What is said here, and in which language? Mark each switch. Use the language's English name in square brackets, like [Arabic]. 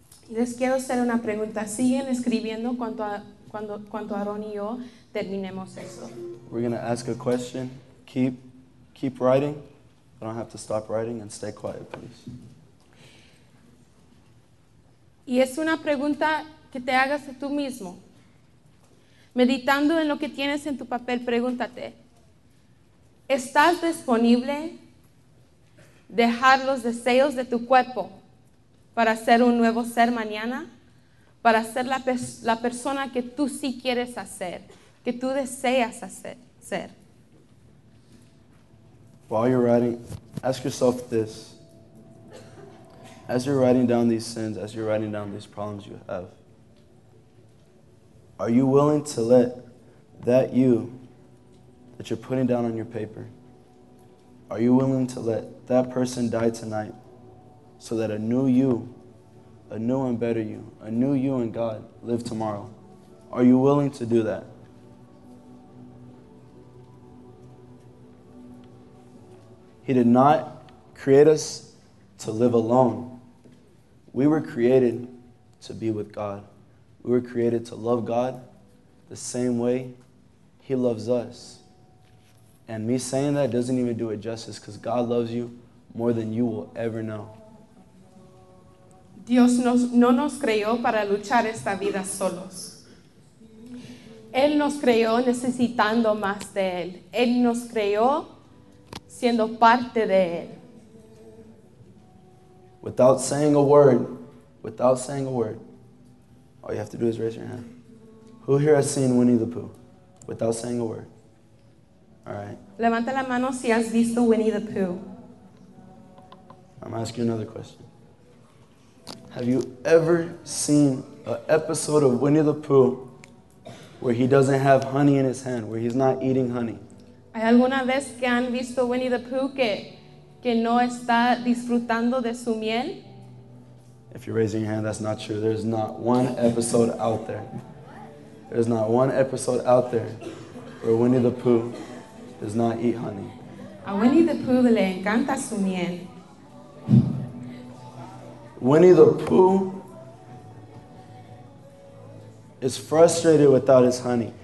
[Spanish] Les quiero hacer una pregunta. ¿Siguen escribiendo cuando Aaron y yo terminemos esto? [English] We're going to ask a question. Keep writing. I don't have to stop writing and stay quiet, please. [Spanish] Y es una pregunta que te hagas a tú mismo. Meditando en lo que tienes en tu papel, pregúntate, ¿estás disponible dejar los deseos de tu cuerpo para ser un nuevo ser mañana? Para ser la persona que tú sí quieres hacer, que tú deseas hacer, ser. [English] While you're writing, ask yourself this. As you're writing down these sins, as you're writing down these problems you have, are you willing to let that you that you're putting down on your paper, are you willing to let that person die tonight so that a new you, a new and better you, a new you and God live tomorrow? Are you willing to do that? He did not create us to live alone. We were created to be with God. We were created to love God the same way He loves us. And me saying that doesn't even do it justice, because God loves you more than you will ever know. [Spanish] Dios no nos creó para luchar esta vida solos. Él nos creó necesitando más de Él. Él nos creó siendo parte de Él. [English] Without saying a word, without saying a word, all you have to do is raise your hand. Who here has seen Winnie the Pooh? Without saying a word. All right. [Spanish] Levanta la mano si has visto Winnie the Pooh. [English] I'm going to ask you another question. Have you ever seen an episode of Winnie the Pooh where he doesn't have honey in his hand, where he's not eating honey? [Spanish] ¿Hay alguna vez que han visto Winnie the Pooh que no está disfrutando de su miel? [English] If you're raising your hand, that's not true. There's not one episode out there. There's not one episode out there where Winnie the Pooh does not eat honey. [Spanish] A Winnie the Pooh le encanta su miel. [English] Winnie the Pooh is frustrated without his honey.